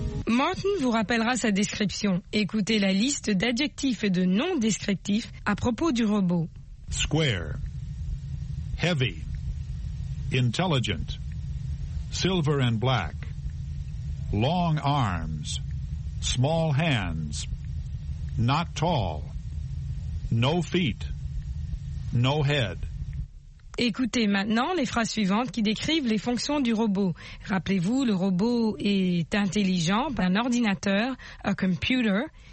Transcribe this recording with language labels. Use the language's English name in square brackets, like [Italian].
[French] Martin vous rappellera sa description. Écoutez la liste d'adjectifs et de noms descriptifs à propos du robot. [English] Square, heavy, intelligent, silver and black, long arms, small hands, not tall, no feet, no head. [French] Écoutez maintenant les phrases suivantes qui décrivent les fonctions du robot. Rappelez-vous, le robot est intelligent, un ordinateur, [English] a computer.